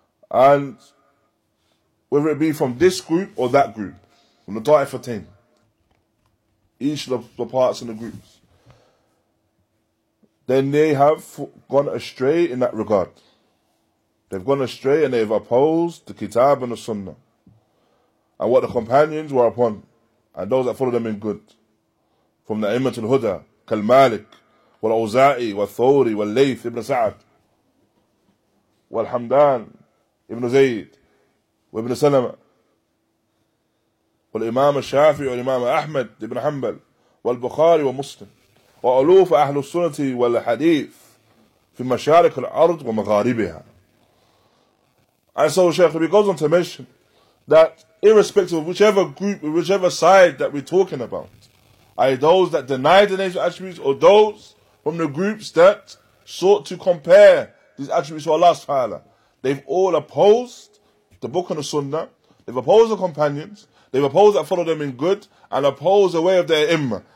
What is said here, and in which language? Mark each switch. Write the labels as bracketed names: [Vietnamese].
[English] and whether it be from this group or that group, from the Ta'ifatain, each of the parts in the groups, then they have gone astray in that regard. They've gone astray and they've opposed the Kitab and the Sunnah and what the companions were upon and those that followed them in good. From the Immatul Huda, Kal Malik, Wal Awza'i, Wal Thawri, Wal Layth, Ibn Sa'ad, Wal Hamdan, Ibn Zayd, Ibn Salama, [Arabic] والإمام الشافعي والإمام أحمد ابن حنبل والبخاري ومسلم وألوف أهل السنة والحديث في مشارق الأرض ومغاربها. [English] And so Shaykh, he goes on to mention that irrespective of whichever group, whichever side that we're talking about, either those that deny the nature of attributes or those from the groups that sought to compare these attributes to Allah subhanahu wa ta'ala, they've all opposed the book and the sunnah, they've opposed the companions, they've opposed that follow them in good, and opposed the way of their immah.